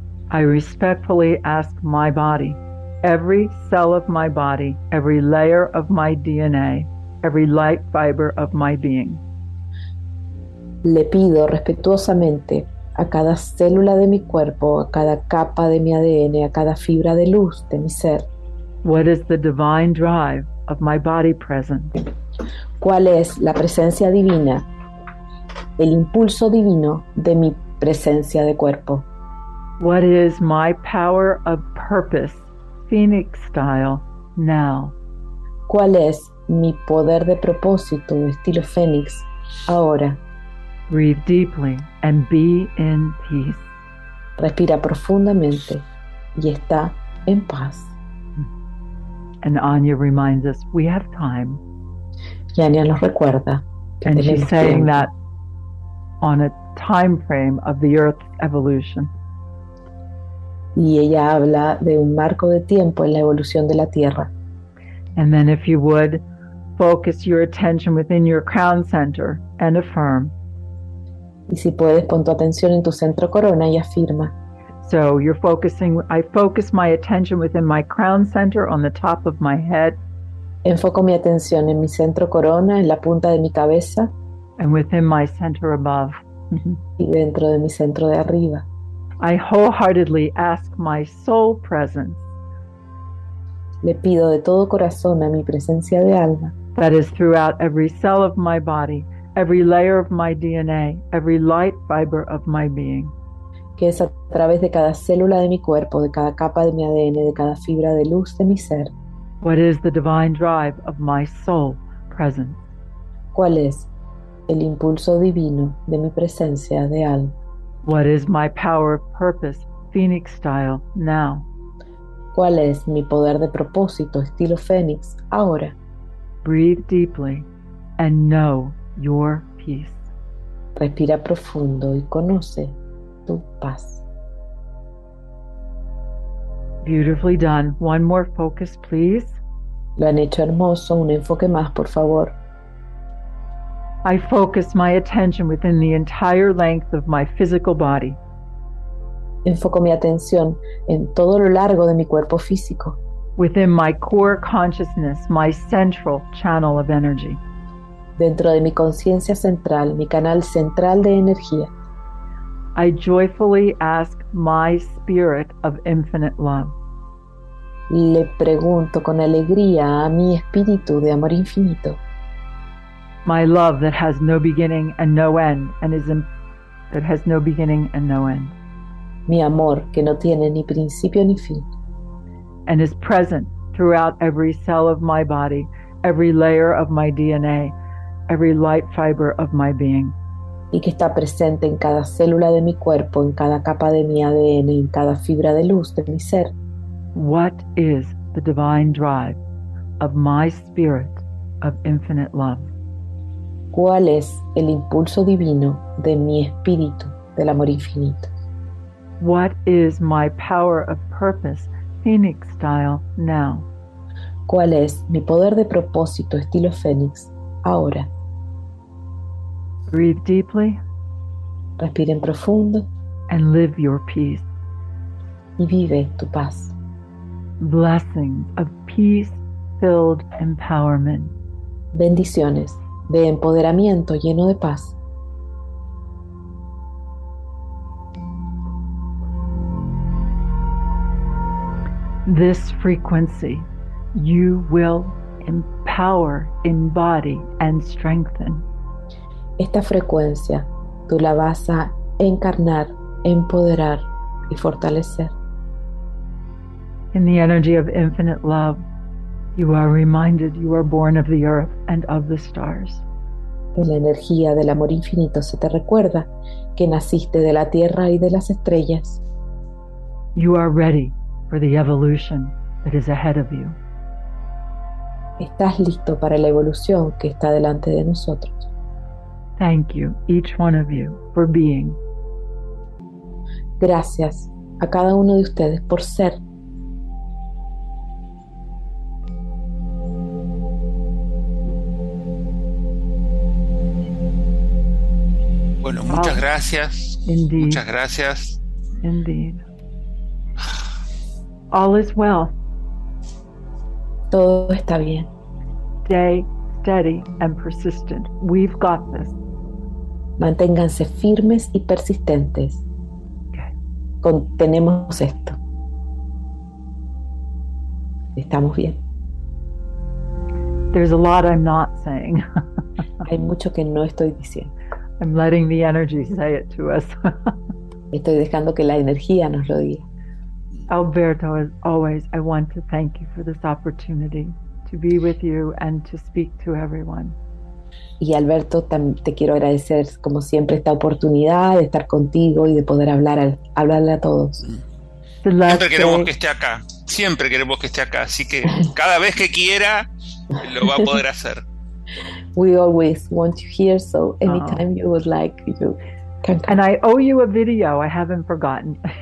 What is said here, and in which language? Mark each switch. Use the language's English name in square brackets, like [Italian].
[English] I respectfully ask my body. Every cell of my body, every layer of my DNA, every light fiber of my being. [Spanish] Le pido respetuosamente a cada célula de mi cuerpo, a cada capa de mi ADN, a cada fibra de luz de mi ser. [English] What is the divine drive of my body present? [Spanish] ¿Cuál es la presencia divina el impulso divino de mi presencia de cuerpo. [English] What is my power of purpose, Phoenix style, now? [Spanish] ¿Cuál es mi poder de propósito, estilo Fénix, ahora? [English] Breathe deeply and be in peace. [Spanish] Respira profundamente y está en paz. [English] And Anya reminds us we have time. [Spanish] Y Anya nos recuerda que [English] and she's saying that on a time frame of the Earth's evolution. [Spanish] Y ella habla de un marco de tiempo en la evolución de la Tierra. [English] And then if you would focus your attention within your crown center and affirm. [Spanish] Y si puedes, pon tu atención en tu centro corona y afirma. [English] So you're focusing, I focus my attention within my crown center on the top of my head. [Spanish] Enfoco mi atención en mi centro corona, en la punta de mi cabeza. [English] And within my center above. [Spanish] Y dentro de mi centro de arriba. [English] I wholeheartedly ask my soul presence. [Spanish] Le pido de todo corazón a mi presencia de alma. [English] That is throughout every cell of my body. Every layer of my DNA, every light fiber of my being. [Spanish] Que es a través de cada célula de mi cuerpo, de cada capa de mi ADN, de cada fibra de luz de mi ser. [English] What is the divine drive of my soul presence? [Spanish] ¿Cuál es el impulso divino de mi presencia de alma? [English] What is my power of purpose, Phoenix style, now? [Spanish] ¿Cuál es mi poder de propósito, estilo Fénix, ahora? [English] Breathe deeply and know your peace. [Spanish] Respira profundo y conoce tu paz. [English] Beautifully done. One more focus, please. [Spanish] Lo han hecho hermoso. Un enfoque más, por favor. [English] I focus my attention within the entire length of my physical body. [Spanish] Enfoco mi atención en todo lo largo de mi cuerpo físico. [English] Within my core consciousness, my central channel of energy. [Spanish] Dentro de mi conciencia central, mi canal central de energía. [English] I joyfully ask my spirit of infinite love. [Spanish] Le pregunto con alegría a mi espíritu de amor infinito. [English] My love that has no beginning and no end and is that has no beginning and no end. [Spanish] Mi amor que no tiene ni principio ni fin. [English] And is present throughout every cell of my body, every layer of my DNA. Every light fiber of my being. [Spanish] Y que está presente en cada célula de mi cuerpo, en cada capa de mi ADN, en cada fibra de luz de mi ser. [English] What is the divine drive of my spirit of infinite love? [Spanish] ¿Cuál es el impulso divino de mi espíritu del amor infinito? [English] What is my power of purpose, Phoenix style, now? [Spanish] ¿Cuál es mi poder de propósito, estilo Fénix? Ahora. [English] Breathe deeply. [Spanish] Respiren profundo. [English] And live your peace. [Spanish] Y vive tu paz. [English] Blessings of peace-filled empowerment. [Spanish] Bendiciones de empoderamiento lleno de paz. [English] This frequency you will power, embody, and strengthen. [Spanish] Esta frecuencia, tú la vas a encarnar, empoderar y fortalecer. [English] In the energy of infinite love, you are reminded you are born of the earth and of the stars. [Spanish] En la energía del amor infinito se te recuerda que naciste de la tierra y de las estrellas. [English] You are ready for the evolution that is ahead of you. [Spanish] Estás listo para la evolución que está delante de nosotros. [English] Thank you, each one of you, for being. [Spanish] Gracias a cada uno de ustedes por ser. Bueno, muchas gracias. [English] Indeed. [Spanish] Muchas gracias. [English] Indeed. All is well. [Spanish] Todo está bien. [English] Stay steady and persistent. We've got this. [Spanish] Manténganse firmes y persistentes. [English] Okay. [Spanish] Tenemos esto. Estamos bien. [English] There's a lot I'm not saying. [Spanish] Hay mucho que no estoy diciendo. [English] I'm letting the energy say it to us. [Spanish] Estoy dejando que la energía nos lo diga. [English] Alberto, as always, I want to thank you for this opportunity to be with you and to speak to everyone. [Spanish] Y Alberto, te quiero agradecer como siempre esta oportunidad de estar contigo y de poder hablarle a todos. Siempre queremos que esté acá. Siempre queremos que esté acá. Así que cada vez que quiera, lo va a poder hacer. [English] We always want you here, so anytime you would like, you can come. And I owe you a video, I haven't forgotten.